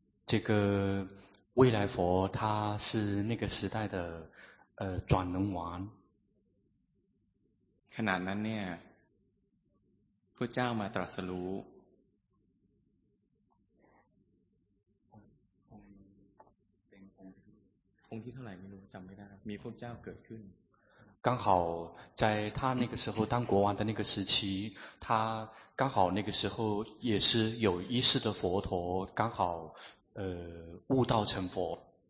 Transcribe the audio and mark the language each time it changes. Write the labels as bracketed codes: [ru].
[zh] 这个未来佛他是那个时代的转轮王 [th] ขนาดนั้นเนี่ยพระเจ้ามาตรัสรู้องค์ที่เท่าไหร่ไม่รู้จำไม่ได้มีพระเจ้าเกิดขึ้น [zh] 刚好在他那个时候当国王的那个时期他刚好那个时候也是有一世的佛陀刚好悟道成佛